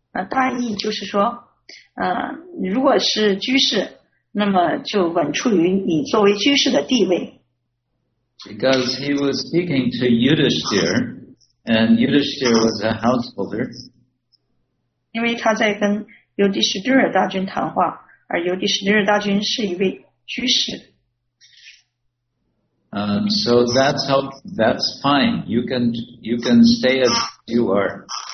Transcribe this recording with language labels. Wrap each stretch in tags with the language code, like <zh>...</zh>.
<zh>大意就是说，如果是居士。那么就稳处于你作为居士的地位。</zh> <en>Because he was speaking to Yudhishthir, and Yudhishthir was a householder.</en> <zh>因为他在跟尤迪士尔大君谈话，而尤迪士尔大君是一位居士。</zh> <en>So that's fine. You can stay as you are.</en>